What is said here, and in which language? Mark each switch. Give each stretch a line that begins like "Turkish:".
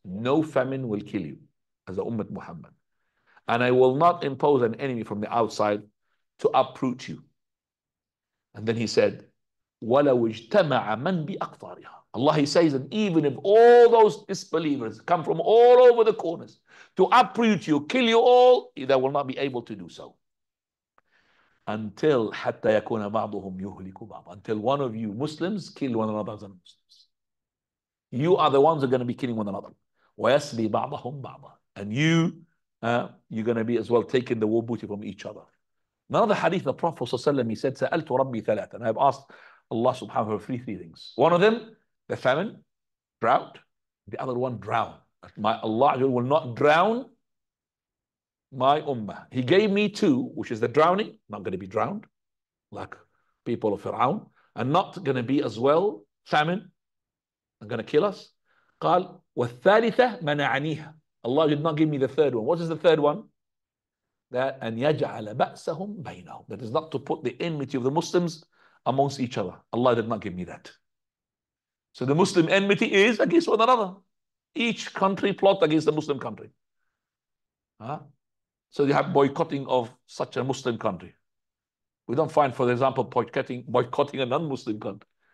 English: No famine will kill you as the Ummah Muhammad. And I will not impose an enemy from the outside to uproot you. And then he said,
Arabic: وَلَوْ اجْتَمَعَ مَنْ بِأَقْطَارِهَا.
English: Allah, he says, and even if all those disbelievers come from all over the corners to uproot you, kill you all, they will not be able to do so. Until
Arabic: حَتَّى يَكُونَ بَعْضُهُمْ يُهْلِكُ بَعْضُهُمْ.
English: Until one of you Muslims kill one another as a Muslim. You are the ones who are going to be killing one another.
Arabic: وَيَسْلِي بَعْضَهُمْ بَعْضًا.
English: And you, you're going to be as well taking the war booty from each other. Another hadith, the Prophet ﷺ, he said,
Arabic: سَأَلْتُ رَبِّي ثَلَاثًا.
English: I have asked Allah subhanahu wa ta'ala three things. One of them, the famine, drought. The other one, drown. My Allah will not drown my ummah. He gave me two, which is the drowning, not going to be drowned, like people of Fir'aun, and not going to be as well, famine, and going to kill us.
Arabic: قال, وَالثَّالِثَ مَنَعَنِيهَا.
English: Allah did not give me the third one. What is the third one? That, and
Arabic: يَجْعَلَ بَأْسَهُمْ بَيْنَهُمْ.
English: That is not to put the enmity of the Muslims amongst each other. Allah did not give me that. So the Muslim enmity is against one another. Each country plot against the Muslim country. Huh? So you have boycotting of such a Muslim country. We don't find, for example, boycotting a non-Muslim country.